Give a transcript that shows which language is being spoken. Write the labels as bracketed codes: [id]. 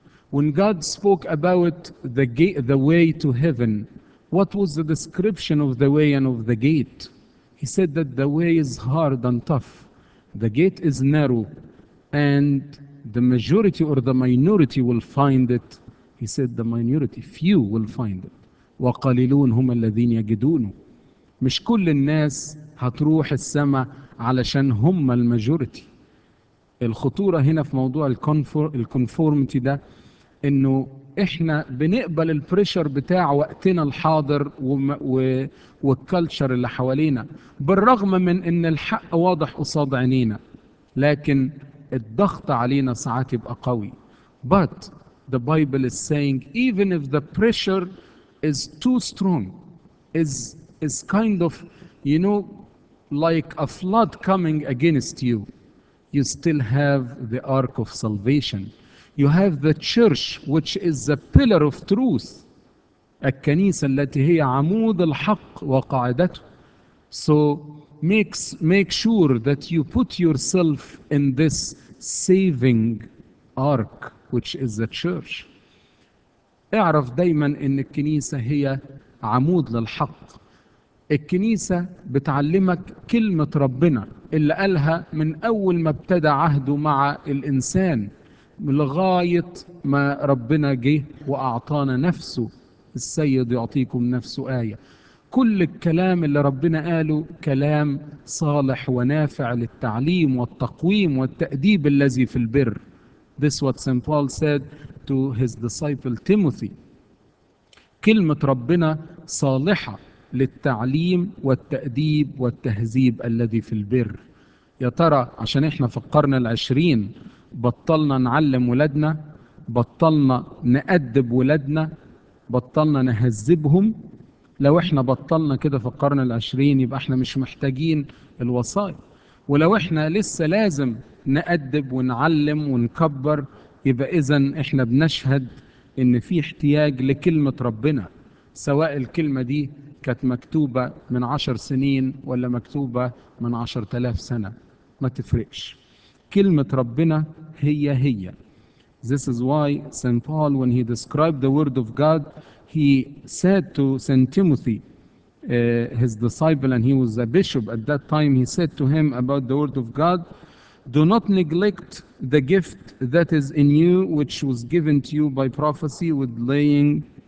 [en] When God spoke about the way to heaven, what was the description of the way and of the gate? He said that the way is hard and tough, the gate is narrow, and the majority or the minority will find it. He said the minority, few will find it. [ar] وقليلون هم الذين يجدونه. مش كل الناس هتروح السماء علشان هم الماجوريتي. الخطورة هنا في موضوع الكونفورمتي ده انه احنا بنقبل البريشر بتاع وقتنا الحاضر والكالتشر اللي حوالينا بالرغم من ان الحق واضح قصاد عينينا، لكن الضغط علينا ساعات يبقى قوي. [en] But the Bible is saying even if the pressure is too strong, is kind of, you know, like a flood coming against you, you still have the ark of salvation. You have the church, which is the pillar of truth. [ar] الكنيسة التي هي عمود الحق وقاعدته. [en] So make sure that you put yourself in this saving ark, which is the church. [ar] اعرف دايما ان الكنيسة هي عمود للحق. الكنيسة بتعلمك كلمة ربنا اللي قالها من أول ما ابتدى عهده مع الإنسان لغاية ما ربنا جه وأعطانا نفسه. السيد يعطيكم نفسه آية. كل الكلام اللي ربنا قاله كلام صالح ونافع للتعليم والتقويم والتأديب الذي في البر. [en] This what St. Paul said to his disciple Timothy. [ar] كلمة ربنا صالحة للتعليم والتأديب والتهذيب الذي في البر. يا ترى عشان احنا في القرن العشرين بطلنا نعلم ولادنا، بطلنا نأدب ولادنا، بطلنا نهذبهم؟ لو احنا بطلنا كده في القرن العشرين يبقى احنا مش محتاجين الوصايا. ولو احنا لسه لازم نأدب ونعلم ونكبر، يبقى اذا احنا بنشهد ان في احتياج لكلمة ربنا، سواء الكلمة دي كانت مكتوبة من 10 سنين ولا مكتوبة من 10,000 سنة، ما تفرقش. كلمة ربنا هي هي. [en] This is why St. Paul, when he described the word of God, he said to St. Timothy, his disciple, and he was a bishop at that time, he said to him about the word of God, do not neglect the gift that is in you, which was given to you by prophecy with laying.